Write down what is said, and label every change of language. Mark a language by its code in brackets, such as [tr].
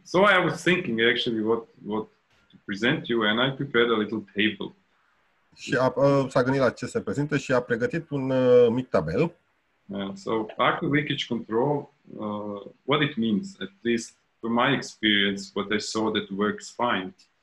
[en] So I was thinking actually what to present you, and I prepared a little table. [ro] Și s-a gândit la ce se prezintă și a pregătit un mic tabel. [en] So, active leakage control, what it means, at least from my experience, what I saw that works fine.